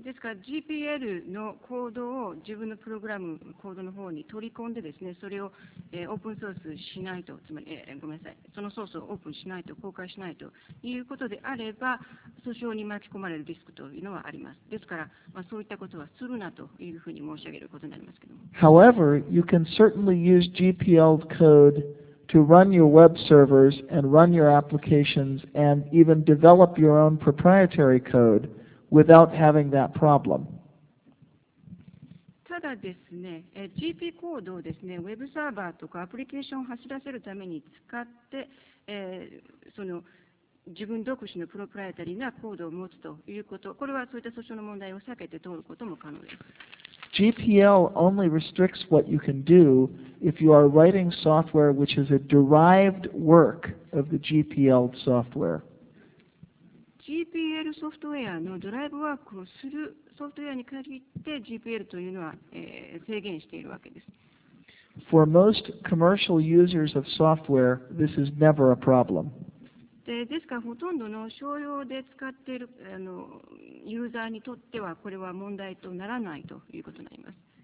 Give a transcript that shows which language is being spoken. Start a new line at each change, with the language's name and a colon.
Japanese: ですから GPL のコードを自分のプログラム、コードの方に取り込んでですね、それをオープンソースしないと、つまり、ごめんなさい、そのソースをオープンしないと、公開しないということであれば、訴訟に巻き込まれるリスクというのはあります。ですから、まあ、そういったことはするなというふうに申し上げることになりますけども。
English: However, you can certainly use GPL code to run your web servers and run your applications and even develop your own proprietary code. Without having that problem.
Japanese: ただですね、GP コードをですね、ウェブサーバーとかアプリケーションを走らせるために使って、その自分独自のプロプライタリーなコードを持つということ、これはそういった訴訟の問題を避けて通ることも可能です。
English: GPL only restricts what you can do if you are writing software which is a derived work of the GPL software.
Japanese: GPL ソフトウェアのドライブワークをするソフトウェアに限って GPL というのは制限しているわけです。
English: For most commercial users of software, this is never a problem.
Japanese: ですから、ほとんどの商用で使っているユーザーにとってはこれは問題とならないということになります。